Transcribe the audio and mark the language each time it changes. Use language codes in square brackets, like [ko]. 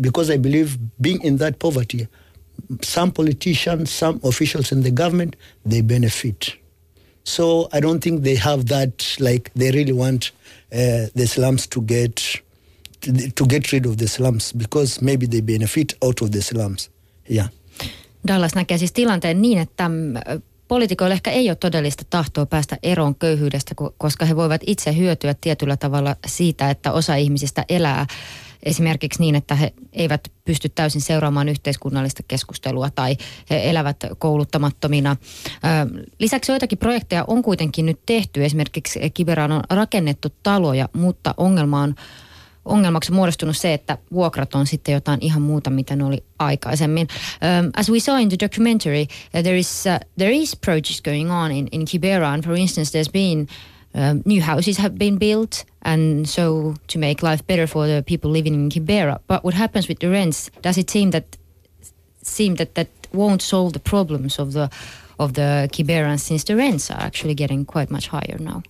[en] Because I believe being in that poverty, some politicians, some officials in the government, they benefit. So I don't think they have that, like they really want the slums to get... to get rid of the slums, because maybe they benefit out of the slums. Yeah. [fi] Dallas näkee siis tilanteen niin, että poliitikoilla ehkä ei ole todellista tahtoa päästä eroon köyhyydestä, koska he voivat itse hyötyä tietyllä tavalla siitä, että osa ihmisistä elää esimerkiksi niin, että he eivät pysty täysin seuraamaan yhteiskunnallista keskustelua tai he elävät kouluttamattomina. Lisäksi joitakin projekteja on kuitenkin nyt tehty. Esimerkiksi Kiberaan on rakennettu taloja, mutta ongelma on ongelmaksi muodostunut se, että vuokrat on sitten jotain ihan muuta, mitä ne oli aikaisemmin. [en] As we saw in the documentary, there is projects going on in Kibera. And for instance, there's been new houses have been built, and so to make life better for the people living in Kibera. But what happens with the rents? Does it seem that won't solve the problems of the Kiberans, since the rents are actually getting quite much higher now?